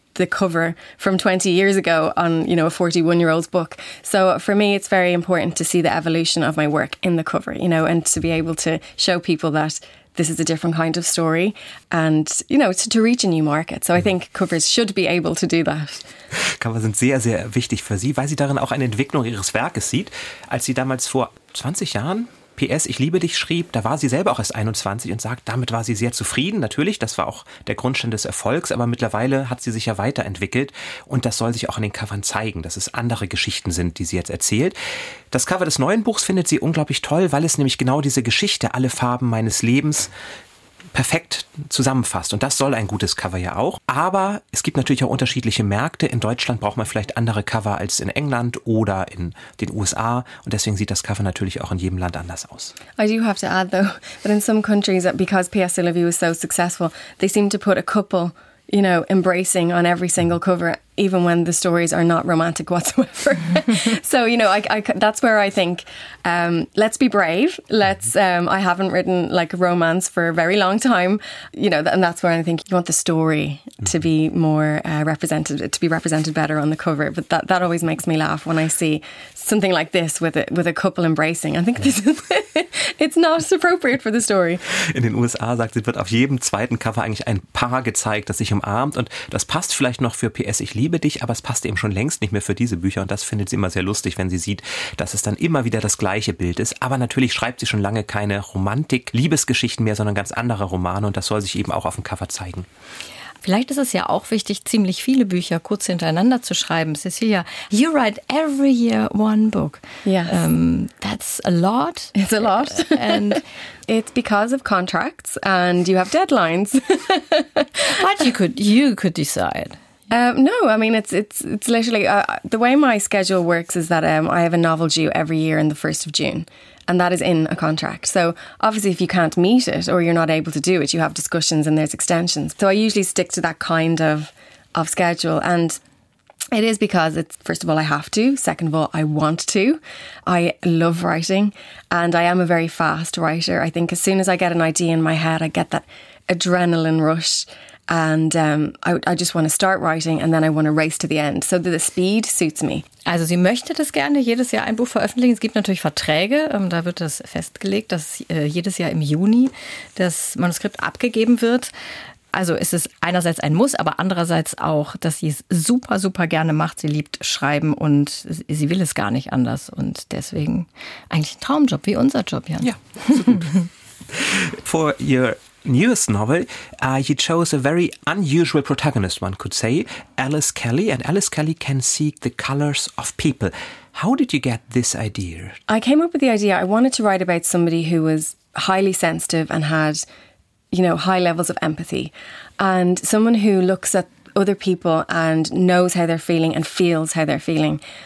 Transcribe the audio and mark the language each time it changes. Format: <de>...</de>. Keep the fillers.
<en>the cover from 20 years ago on you know a 41 year old's book so for me it's very important to see the evolution of my work in the cover you know and to be able to show people that this is a different kind of story and you know to, to reach a new market so i think covers should be able to do that</en> <de>Cover sind sehr, sehr wichtig für Sie, weil sie darin auch eine Entwicklung Ihres Werkes sieht. Als sie damals vor 20 Jahren PS Ich liebe dich schrieb, da war sie selber auch erst 21 und sagt, damit war sie sehr zufrieden. Natürlich, das war auch der Grundstein des Erfolgs, aber mittlerweile hat sie sich ja weiterentwickelt und das soll sich auch in den Covern zeigen, dass es andere Geschichten sind, die sie jetzt erzählt. Das Cover des neuen Buchs findet sie unglaublich toll, weil es nämlich genau diese Geschichte, alle Farben meines Lebens, perfekt zusammenfasst. Und das soll ein gutes Cover ja auch. Aber es gibt natürlich auch unterschiedliche Märkte. In Deutschland braucht man vielleicht andere Cover als in England oder in den USA. Und deswegen sieht das Cover natürlich auch in jedem Land anders aus.</de> <en>I do have to add, though, that in some countries, because P.S. I Love You was so successful, they seem to put a couple, you know, embracing on every single cover, even when the stories are not romantic whatsoever. so, you know, I, I, that's where I think um, let's be brave. Let's. Um, I haven't written like a romance for a very long time, you know, and that's where I think you want the story to be more uh, represented, to be represented better on the cover. But that, that always makes me laugh when I see something like this with a, with a couple embracing. I think this is it's not appropriate for the story.</en> <de>In den USA, sagt sie, wird auf jedem zweiten Cover eigentlich ein Paar gezeigt, das sich umarmt. Und das passt vielleicht noch für PS Ich liebe dich, aber es passt eben schon längst nicht mehr für diese Bücher. Und das findet sie immer sehr lustig, wenn sie sieht, dass es dann immer wieder das gleiche Bild ist. Aber natürlich schreibt sie schon lange keine Romantik-Liebesgeschichten mehr, sondern ganz andere Romane. Und das soll sich eben auch auf dem Cover zeigen. Vielleicht ist es ja auch wichtig, ziemlich viele Bücher kurz hintereinander zu schreiben.</de> <en>Cecilia, you write every year one book. Yes. Um, that's a lot. It's a lot. And It's because of contracts and you have deadlines. but you could you could decide. Um, no, I mean it's it's it's literally uh, the way my schedule works is that um, I have a novel due every year in the first of June, and that is in a contract. So obviously, if you can't meet it or you're not able to do it, you have discussions and there's extensions. So I usually stick to that kind of of schedule, and it is because it's first of all I have to, second of all I want to. I love writing, and I am a very fast writer. I think as soon as I get an idea in my head, I get that adrenaline rush and um, I, I just want to start writing and then I want to race to the end. So the, the speed suits me.</en> <de>Also sie möchte das gerne jedes Jahr ein Buch veröffentlichen. Es gibt natürlich Verträge, ähm, da wird das festgelegt, dass äh, jedes Jahr im Juni das Manuskript abgegeben wird. Also es ist einerseits ein Muss, aber andererseits auch, dass sie es super, super gerne macht. Sie liebt Schreiben und sie- sie will es gar nicht anders. Und deswegen eigentlich ein Traumjob, wie unser Job, Jan. Ja.</de> <en>For your newest novel, uh, you chose a very unusual protagonist, one could say, Alice Kelly. And Alice Kelly can seek the colors of people. How did you get this idea? I came up with the idea I wanted to write about somebody who was highly sensitive and had, you know, high levels of empathy and someone who looks at other people and knows how they're feeling and feels how they're feeling.</en>